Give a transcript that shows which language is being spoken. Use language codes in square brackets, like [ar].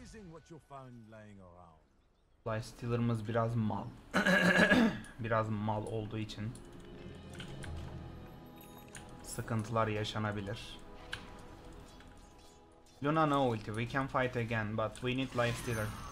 [en] What you found laying around. [tr] Lifestealer'ımız biraz mal. Biraz mal olduğu için sıkıntılar yaşanabilir. [en] Luna no ulti, we can fight again, but we need lifestealer.